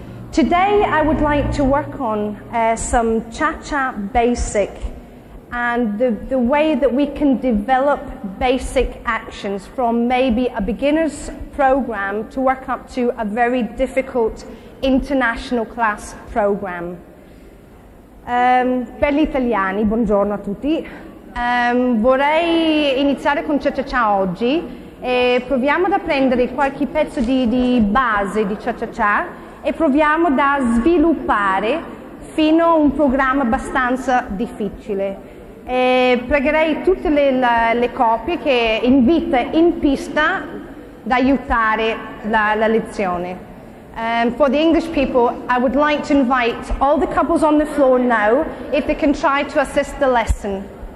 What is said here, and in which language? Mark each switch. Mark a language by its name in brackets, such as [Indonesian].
[English] Today I would like to work on some cha-cha basic and the way that we can develop basic actions from maybe a beginner's program to work up to a very difficult international class program. [Italian] Per gli italiani, buongiorno a tutti. Vorrei iniziare con cha-cha-cha oggi e proviamo ad apprendere qualche pezzo di base di cha-cha-cha e proviamo da sviluppare fino a un programma abbastanza difficile. E pregherei tutte le coppie che invita in pista ad aiutare la lezione. [English] For the English people, I would like to invite all the couples on the floor now if they can try to assist the lesson.